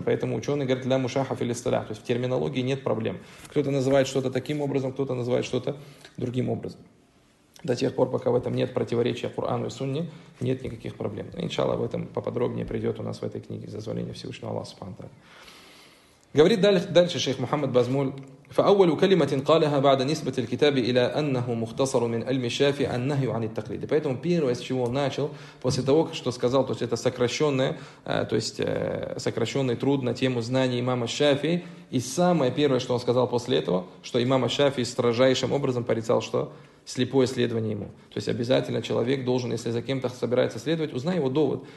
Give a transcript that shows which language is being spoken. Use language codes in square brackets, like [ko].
[ru] Поэтому ученый говорит, ля мушахаф или стара. То есть, в терминологии нет проблем. Кто-то называет что-то таким образом, кто-то называет что-то другим образом. До тех пор, пока в этом нет противоречия Корану и Сунне, нет никаких проблем. Иншалла, об этом поподробнее придет у нас в этой книге, за зазволение Всевышнего Аллаха. Говорит дальше шейх Мухаммад Базмуль. [ar] فأول كلمة قالها بعد نسبة الكتاب إلى أنه مختصر من علم الشافعي النهي عن التقليد. [ru] Поэтому первое, с чего он начал, после того, что сказал, то есть это сокращенное, то есть сокращенный труд на тему знаний имама Шафии, и самое первое, что он сказал после этого, что имам Шафии строжайшим образом порицал, что слепое следование ему. То есть обязательно человек должен, если за кем-то собирается следовать, узнай его довод.